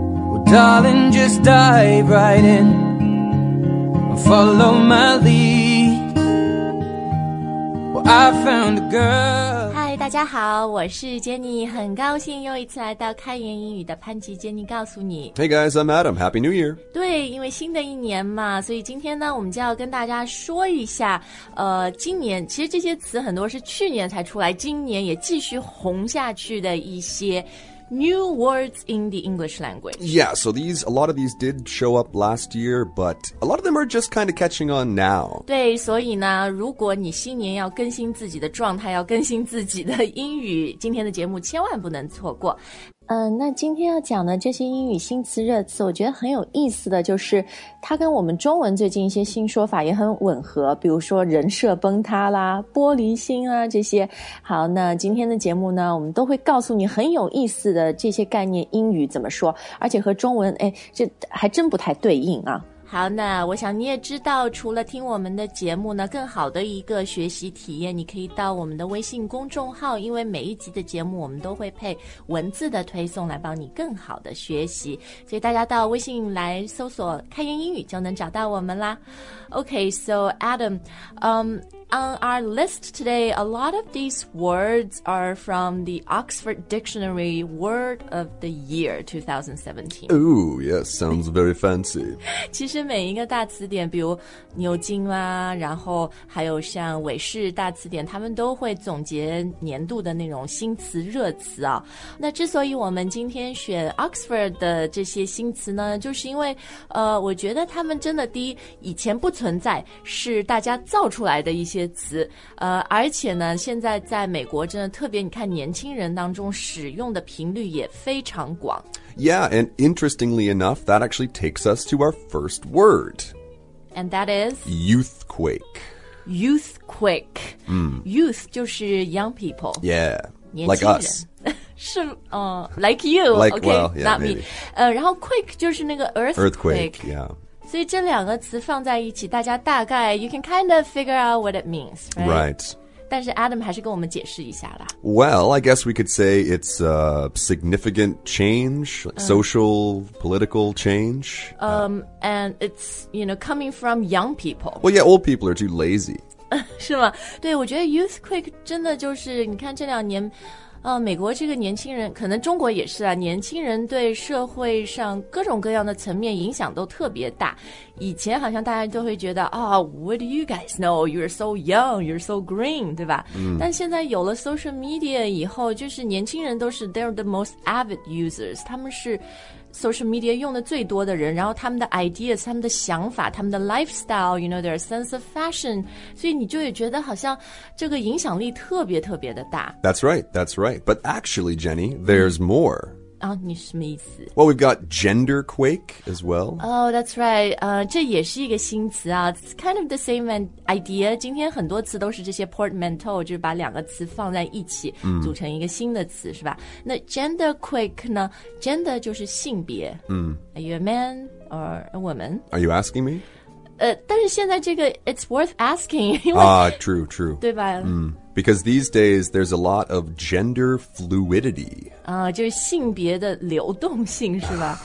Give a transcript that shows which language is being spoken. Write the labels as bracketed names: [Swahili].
[English] Well, darling, just dive right in and follow my lead. Well, I found a girl. [Chinese] 大家好，我是 Jenny， 很高兴又一次来到开言英语的潘吉 Jenny 告诉你。 [English] Hey guys, I'm Adam. Happy New Year. [Chinese] 对，因为新的一年嘛，所以今天呢，我们就要跟大家说一下，今年其实这些词很多是去年才出来，今年也继续红下去的一些 [English] New words in the English language. Yeah, so a lot of these did show up last year, but a lot of them are just kind of catching on now. [Chinese] 对，所以呢，如果你新年要更新自己的状态，要更新自己的英语，今天的节目千万不能错过。那今天要讲的这些英语新词热词，我觉得很有意思的就是它跟我们中文最近一些新说法也很吻合，比如说人设崩塌啦、玻璃心啊这些。好，那今天的节目呢，我们都会告诉你很有意思的这些概念英语怎么说，而且和中文哎，这还真不太对应啊。好，那我想你也知道，除了听我们的节目呢，更好的一个学习体验，你可以到我们的微信公众号，因为每一集的节目我们都会配文字的推送来帮你更好的学习，所以大家到微信来搜索开言英语就能找到我们啦。 [English] Okay, so Adam, on our list today, a lot of these words are from the Oxford Dictionary Word of the Year 2017. Ooh, yes, sounds very fancy. [Chinese] 其实每一个大词典，比如牛津啦，然后还有像韦氏大词典，他们都会总结年度的那种新词热词啊。那之所以我们今天选 Oxford 的这些新词呢，就是因为我觉得他们真的第一，以前不存在，是大家造出来的一些词，而且呢，现在在美国真的特别，你看年轻人当中使用的频率也非常广。 [English] Yeah, and interestingly enough, that actually takes us to our first word. And that is? Youthquake. Youthquake.、 Mm. Youth [Chinese] 就是 [English] young people. Yeah, like us. [Chinese] 是、 [English] like you. Like, okay, well, yeah, not maybe. Me. [Chinese] 然后 quake 就是那个 earthquake. [English] Earthquake, yeah. [Chinese] 所以这两个词放在一起，大家大概 [English] you can kind of figure out what it means, right? Right. [Chinese] 但是 Adam 还是跟我们解释一下啦。 [English] Well, I guess we could say it's a significant change, social, political change. And it's, you know, coming from young people. Well, yeah, old people are too lazy. [Chinese] 是吗？对，我觉得 youthquake 真的就是你看这两年。美国这个年轻人，可能中国也是啊，年轻人对社会上各种各样的层面影响都特别大。以前好像大家都会觉得啊、 [English] what do you guys know? You're so young, you're so green, [Chinese] 对吧？嗯。但现在有了 social media 以后，就是年轻人都是 [English] they're the most avid users, [Chinese] 他们是social media 用的最多的人，然后他们的 ideas, 他们的想法，他们的 lifestyle, [English] you know, their sense of fashion, [Chinese] 所以你就也觉得好像这个影响力特别特别的大。 [English] That's right, that's right. But actually, Jenny, there's more. [Chinese] 啊、你什么意思？ [English] Well, we've got gender quake as well. Oh, that's right. [Chinese] 这也是一个新词啊。 [English] It's kind of the same idea. [Chinese] 今天很多词都是这些 portmanteau, 就是把两个词放在一起、组成一个新的词，是吧？那 gender quake 呢？ Gender 就是性别。 [English] Are you a man or a woman? Are you asking me? [Chinese] 但是现在这个 [English] it's worth asking. True, true. [Chinese] 对吧？ [English] Because these days, there's a lot of gender fluidity. [Chinese] 就是性别的流动性是吧